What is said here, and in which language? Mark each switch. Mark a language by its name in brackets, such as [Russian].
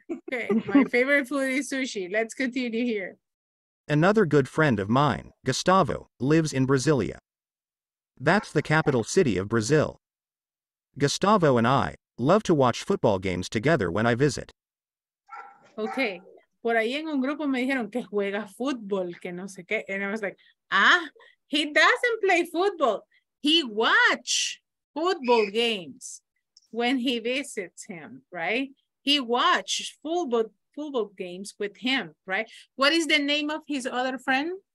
[English] Okay, my favorite food is sushi. Let's continue here. Another good friend of mine, Gustavo, lives in Brasilia. That's the capital city of Brazil. Gustavo and I love to watch football games together when I visit. Okay. [Spanish] Por ahí en un grupo me dijeron que juega fútbol, que no sé qué. [English] And I was like, ah, he doesn't play football. He watch football games when he visits him, right? He watch football games with him, right? What is the name of his other friend?